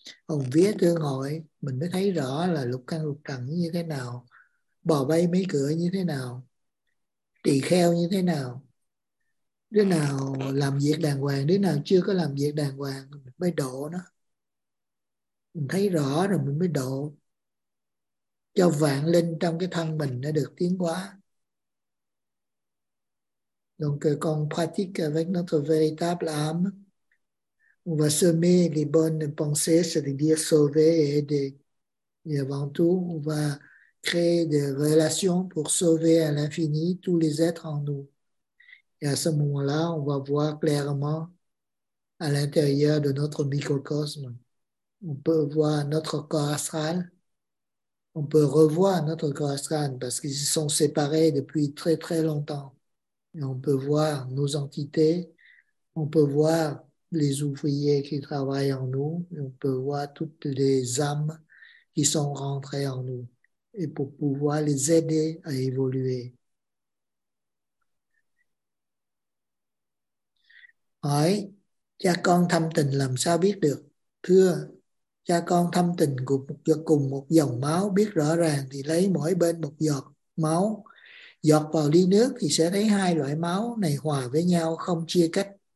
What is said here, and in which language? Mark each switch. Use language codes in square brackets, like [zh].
[vi] Hồn vía tương hội, mình mới thấy rõ là lục căn lục trần như thế nào, bò bay mấy cửa như thế nào, tỳ kheo như thế nào, đứa nào làm việc đàng hoàng, đứa nào chưa có làm việc đàng hoàng, mình mới độ nó. Mình thấy rõ rồi mình mới độ cho vạn linh trong cái thân mình nó được tiến hóa. [fr] Donc quand on pratique avec notre véritable âme, on va semer les bonnes pensées, c'est-à-dire sauver et aider. Et avant tout, on va créer des relations pour sauver à l'infini tous les êtres en nous. Et à ce moment-là, on va voir clairement à l'intérieur de notre microcosme. On peut voir notre corps astral. On peut revoir notre corps astral parce qu'ils se sont séparés depuis très très longtemps. Et on peut voir nos entités. On peut voir les ouvriers qui travaillent en nous. Et on peut voir toutes les âmes qui sont rentrées en nous. Et pour pouvoir les aider à évoluer. [vi] Hỏi, cha con thâm tình làm sao biết được? Thưa, cha con thâm tình cùng một dòng máu, biết rõ ràng thì lấy mỗi bên một giọt máu, giọt vào ly nước thì sẽ thấy hai loại máu này hòa với nhau không chia cách.